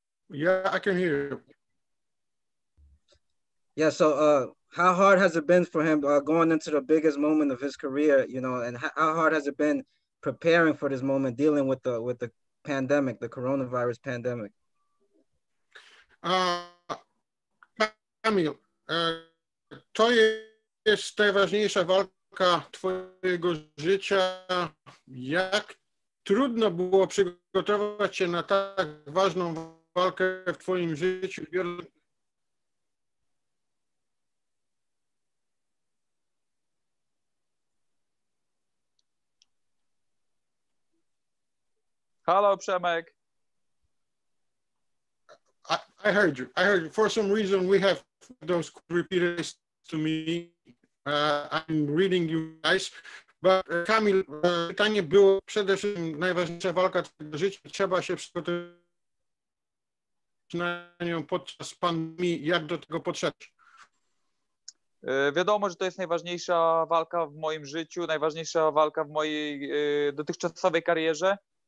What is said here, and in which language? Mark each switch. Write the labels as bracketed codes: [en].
[en] Yeah, I can hear you. Yeah, so how hard has it been for him going into the biggest moment of his career, you know, and how hard has it been preparing for this moment, dealing with the pandemic, the coronavirus pandemic? [pl] Kamil, to jest najważniejsza walka twojego życia. Jak trudno było przygotować się na tak ważną walkę w twoim życiu? Halo, Przemek. [en] I heard you. For some reason, we have those repeaters to me. I'm reading you guys. [pl] But Kamil, pytanie było przede wszystkim najważniejsza walka w życiu. Trzeba się przygotować na nią podczas pandemii. Jak do tego podszedł? Wiadomo, że to jest najważniejsza walka w moim życiu, najważniejsza walka w mojej dotychczasowej karierze.